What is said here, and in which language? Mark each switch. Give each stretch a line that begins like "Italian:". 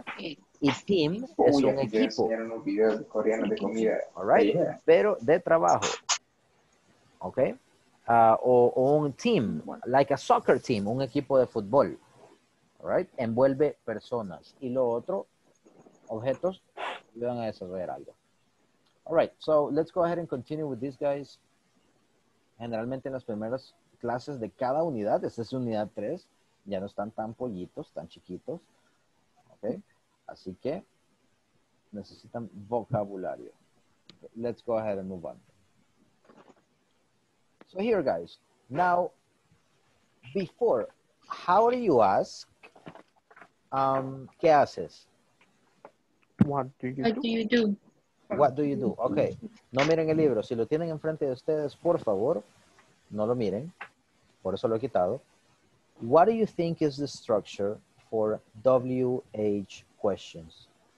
Spanish: Y team es un equipo.
English: All right?
Spanish: Pero de trabajo. ¿Ok? O un team,
English: like a soccer team,
Spanish: un equipo de fútbol.
English: All right?
Spanish: Envuelve personas. Y lo otro, objetos, le van a desarrollar algo.
English: All right, so let's go ahead and continue with these guys.
Spanish: Generalmente en las primeras clases de cada unidad, esta es unidad 3, ya no están tan pollitos, tan chiquitos. Okay, así que necesitan vocabulario.
English: Let's go ahead and move on. So here, guys, now, before, how do you ask,
Spanish: ¿qué haces?
English: What do you do? What do you do? Okay.
Spanish: No miren el libro. Si lo tienen enfrente de ustedes, por favor, no lo miren. Por eso lo he quitado.
English: What do you think is the structure for WH questions?